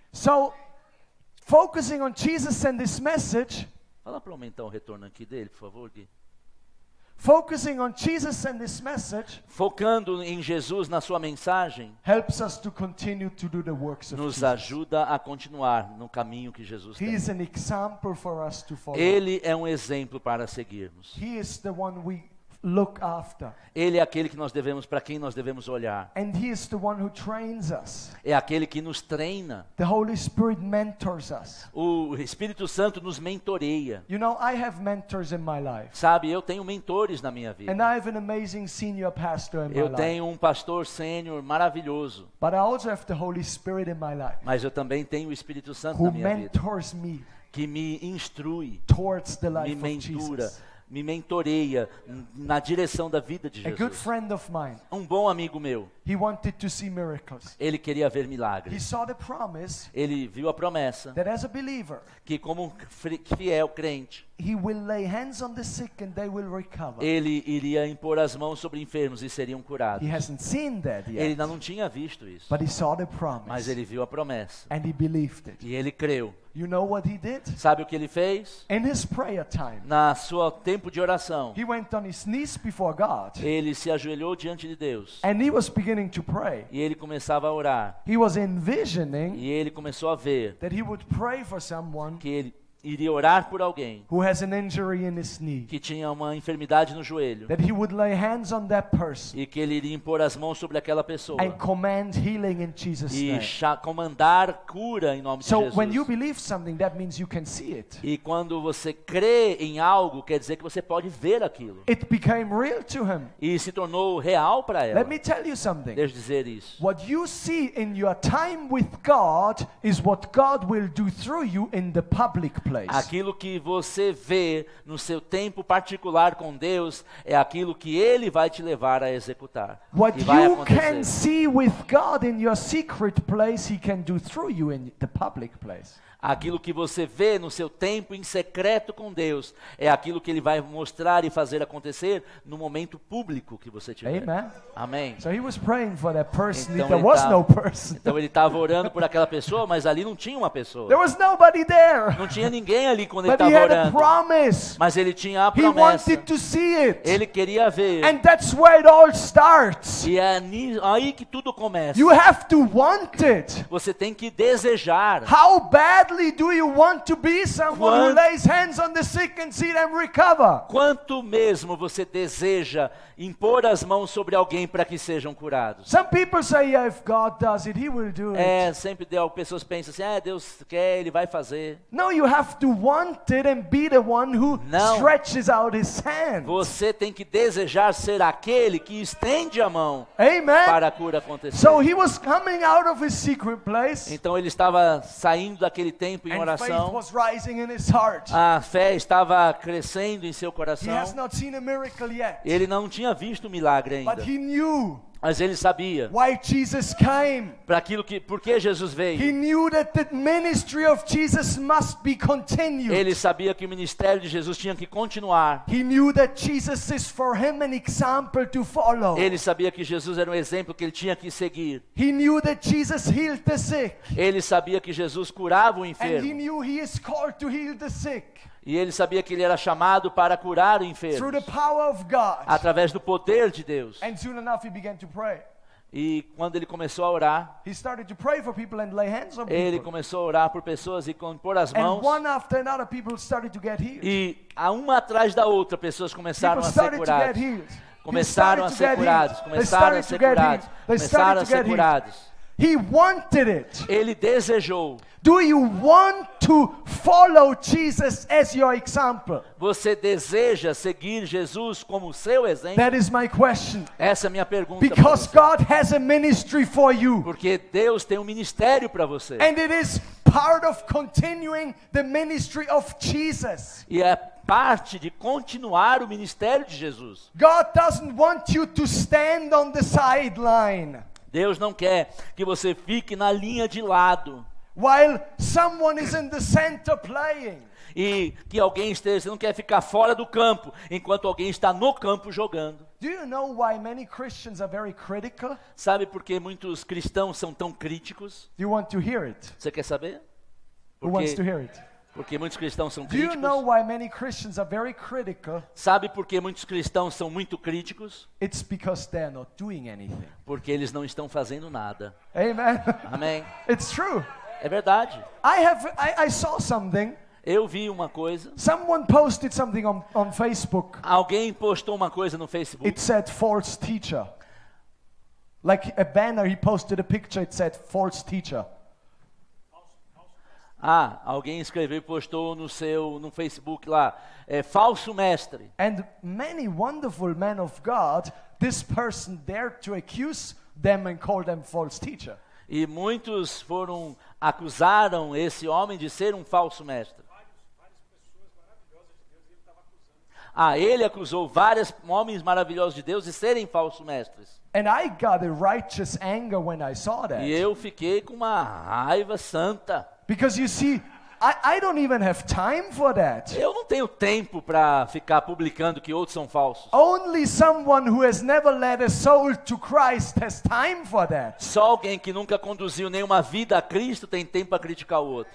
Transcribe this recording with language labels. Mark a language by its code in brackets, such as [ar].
[en] So, focusing on Jesus and this message. [pt] Fala para aumentar o retorno aqui dele, por favor, Gui. [en] Focusing on Jesus and this message. [pt] Focando em Jesus na sua mensagem. [en] Helps us to continue to do the works of Jesus. [pt] Nos ajuda a continuar no caminho que Jesus tem. [en] He is an example for us to follow. [pt] Ele é um exemplo para seguirmos. [en] He is the one we look after. [pt] Ele é aquele que nós devemos, para quem nós devemos olhar. [en] And he is the one who trains us. [pt] É aquele que nos treina. [en] The Holy Spirit mentors us. [pt] O Espírito Santo nos mentoreia. [en] You know, I have mentors in my life. [pt] Sabe, eu tenho mentores na minha vida. [en] And I have an amazing senior pastor in my life. [pt] Eu tenho um pastor sênior maravilhoso. [en] But I also have the Holy Spirit in my life. [pt] Mas eu também tenho o Espírito Santo na minha vida. [en] Who mentors me. [pt] Que me instrui, [en] towards the life [pt] me mentura, [en] of Jesus. [pt] Me mentoreia na direção da vida de Jesus. [en] A good friend of mine, [pt] um bom amigo meu, [en] he wanted to see miracles. [pt] Ele queria ver milagres. [en] He saw the promise, [pt] ele viu a promessa [en] that as a believer, [pt] que como um fiel crente, [en] he will lay hands on the sick and they will recover. [pt] Ele iria impor as mãos sobre enfermos e seriam curados. [en] He hasn't seen that yet, [pt] ele ainda não tinha visto isso, [en] but he saw the promise, [pt] mas ele viu a promessa [en] and he believed it. [pt] E ele creu. [en] You know what he did? [pt] Sabe o que ele fez? [en] In his prayer time, [pt] na sua tempo de oração, [en] he went on his knees before God, [pt] ele se ajoelhou diante de Deus, [en] and he was beginning to pray. [pt] E ele começava a orar. [en] He was envisioning, [pt] e ele começou a ver, [en] that he would pray for someone, [pt] que ele iria orar por alguém, [en] who has an injury in his knee, [pt] que tinha uma enfermidade no joelho, [en] that he would lay hands on that person, [pt] e que ele iria impor as mãos sobre aquela pessoa, [en] and command healing in Jesus' name, [pt] e comandar cura em nome [en] so [pt] de Jesus. [en] When you believe something, that means you can see it. [pt] E quando você crê em algo, quer dizer que você pode ver aquilo. [en] It became real to him. [pt] E se tornou real para ela. [en] Let me tell you something. [pt] Deixa eu dizer isso. [en] What you see in your time with God is what God will do through you in the public place. [pt] Aquilo que você vê no seu tempo particular com Deus é aquilo que Ele vai te levar a executar. [en] What [pt] e vai [en] you [pt] acontecer. [en] Can see with God in your secret place, He can do through you in the public place. [pt] Aquilo que você vê no seu tempo em secreto com Deus é aquilo que Ele vai mostrar e fazer acontecer no momento público que você tiver. [en] Amen. [pt] Amém. [en] So he was praying for that person. [pt] Então [en] there was no person. [pt] Então ele estava orando por aquela pessoa, mas ali não tinha uma pessoa. [en] There was nobody there. [pt] Não tinha ninguém ali quando [en] But [pt] ele estava orando. [en] A promise. [pt] Mas ele tinha a promessa. [en] He wanted to see it. [pt] Ele queria ver. [en] And that's where it all starts. [pt] E é aí que tudo começa. [en] You have to want it. [pt] Você tem que desejar. [en] How bad do you want to be someone who lays hands on the sick and see them recover? [pt] Quanto mesmo você deseja impor as mãos sobre alguém para que sejam curados? [en] Some people say, yeah, if God does it, He will do it. [pt] É, sempre pessoas pensam assim, ah, Deus quer, Ele vai fazer. [en] No, you have to want it and be the one who [pt] Não. [en] Stretches out His hand. [pt] Você tem que desejar ser aquele que estende a mão. [en] Amen. [pt] Para a cura acontecer. [en] So he was coming out of his secret place. [pt] Então ele estava saindo daquele tempo em [en] and [pt] oração. [en] Faith was rising in his heart. [pt] A fé estava crescendo em seu coração. [en] He has not seen a miracle yet. [pt] Ele não tinha visto um milagre ainda. [en] But he knew. [pt] Mas ele sabia. [en] Why Jesus came? [pt] Para aquilo que, por que Jesus veio? [en] He knew that the ministry of Jesus must be continued. [pt] Ele sabia que o ministério de Jesus tinha que continuar. [en] He knew that Jesus is for him an example to follow. [pt] Ele sabia que Jesus era um exemplo que ele tinha que seguir. [en] He knew that Jesus healed the sick. [pt] Ele sabia que Jesus curava o enfermo. [en] And he knew he is called to heal the sick. [pt] E ele sabia que ele era chamado para curar o enfermo. [en] Through the power of God. [pt] Através do poder de Deus. [en] And soon enough he began to pray. [pt] E quando ele começou a orar, [en] he started to pray for people and lay hands on people. [pt] Ele começou a orar por pessoas e pôr as mãos. [en] And one after another, people started to get healed. [pt] E uma atrás da outra, pessoas começaram [en] people started [pt] a ser curadas. [en] To get healed. [pt] Começaram a ser curados. Começaram a ser curados. Começaram a ser curados. [en] He wanted it. [pt] Ele desejou. [en] Do you want to follow Jesus as your example? [pt] Você deseja seguir Jesus como seu exemplo? [en] That is my question. [pt] Essa é minha pergunta. [en] Because God has a ministry for you. [pt] Porque Deus tem um ministério para você. [en] And it is part of continuing the ministry of Jesus. [pt] E é parte de continuar o ministério de Jesus. [en] God doesn't want you to stand on the sideline. [pt] Deus não quer que você fique na linha de lado. [en] While someone is in the center playing. [pt] E que alguém esteja, você não quer ficar fora do campo, enquanto alguém está no campo jogando. [en] Do you know why many Christians are very critical? [pt] Sabe por que muitos cristãos são tão críticos? [en] Do you want to hear it? [pt] Você quer saber? [en] Who wants to hear it? [pt] Porque muitos cristãos são críticos. [en] Do you know why many Christians are very critical? [pt] Sabe por que muitos cristãos são muito críticos? [en] It's because they're not doing anything. [pt] Porque eles não estão fazendo nada. [en] Amen. [pt] Amém. [en] It's true. [pt] É verdade. [en] I saw something. [pt] Eu vi uma coisa. [en] Someone posted something on Facebook. [pt] Alguém postou uma coisa no Facebook. [en] It said false teacher. Like a banner, he posted a picture, it said false teacher. [pt] Ah, alguém escreveu e postou no seu no Facebook lá, é falso mestre. [en] And many wonderful men of God, this person dared to accuse them and call them false teacher. [pt] E muitos foram acusaram esse homem de ser um falso mestre. Ah, ele acusou vários homens maravilhosos de Deus de serem falsos mestres. [en] And I got a righteous anger when I saw that. [pt] E eu fiquei com uma raiva santa. [en] Because you see, I don't even have time for that. [pt] Eu não tenho tempo para ficar publicando que outros são falsos. [en] Only someone who has never led a soul to Christ has time for that. [pt] Só alguém que nunca conduziu nenhuma vida a Cristo tem tempo para criticar o outro.